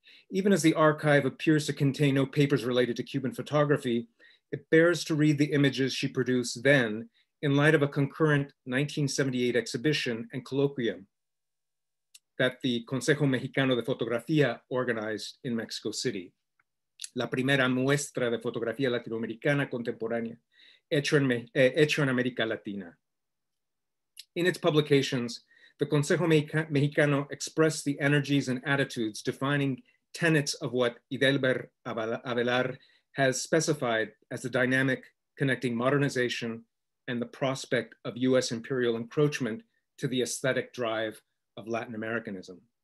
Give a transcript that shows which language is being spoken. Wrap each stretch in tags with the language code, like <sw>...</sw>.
<en>Even as the archive appears to contain no papers related to Cuban photography, it bears to read the images she produced then in light of a concurrent 1978 exhibition and colloquium that the Consejo Mexicano de Fotografía organized in Mexico City.</en> <es>La primera muestra de fotografía latinoamericana contemporánea hecho en América Latina.</es> <en>In its publications, the Consejo Mexicano expressed the energies and attitudes defining tenets of what Idelber Avelar has specified as the dynamic connecting modernization and the prospect of US imperial encroachment to the aesthetic drive of Latin Americanism.</en>